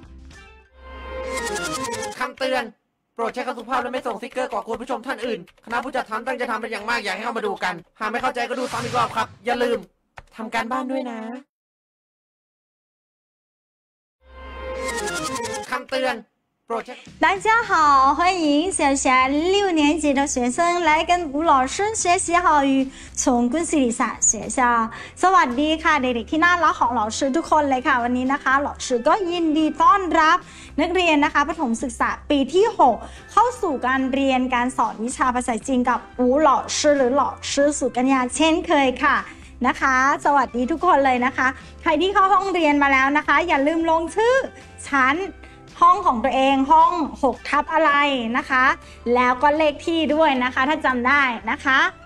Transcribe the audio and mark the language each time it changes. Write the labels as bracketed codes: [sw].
[th] ำเตือนโปรดใช้คำสุภาพและไม่ส่งสติ๊กเกอร์ก่อกวนผู้ชมท่านอื่นคณะผู้จัดทำตั้งใจทำเป็นอย่างมากอยากให้เข้ามาดูกันหากไม่เข้าใจก็ดูซ้ำอีกรอบครับอย่าลืมทำการบ้านด้วยนะคำเตือน [zh] 大家好，欢迎小小六年级的学生来跟吴老师学习好语，从故事里上学校。 [th] สวัสดีค่ะเด็กๆที่น่ารักของ老师ทุกคนเลยค่ะวันนี้นะคะ老师ก็ยินดีต้อนรับนักเรียนนะคะประถมศึกษาปีที่6เข้าสู่การเรียนการสอนวิชาภาษาจีนกับวู老师หรือ老师สุกัญญาเช่นเคยค่ะนะคะสวัสดีทุกคนเลยนะคะใครที่เข้าห้องเรียนมาแล้วนะคะอย่าลืมลงชื่อฉันห้องของตัวเองห้อง6ทับอะไรนะคะแล้วก็เลขที่ด้วยนะคะถ้าจำได้นะคะ